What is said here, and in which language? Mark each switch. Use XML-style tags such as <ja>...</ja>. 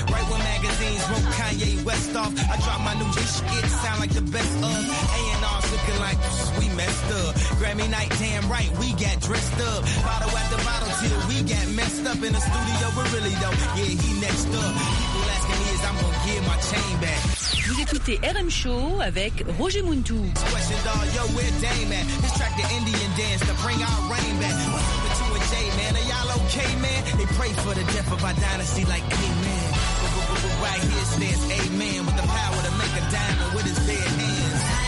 <en>Right when magazines wrote Kanye West off. I dropped my new dish, it sound like the best of A&R. Looking like we messed up. Grammy night, damn right, we got dressed up. Bottle after bottle till we got messed up. In the studio, we're really though. Yeah, he next up. People asking me is I'm gonna give my chain back.</en> <fr>Vous écoutez RM Show avec Roger Muntou.</fr> <en>Question dog, yo, where Dame at? This track the Indian dance to bring our rain back. What's up with you and Jay, man? Are y'all okay, man? They pray for the death of our dynasty like amen. Right here stands amen with the power to make a diamond with his bare hands.</en>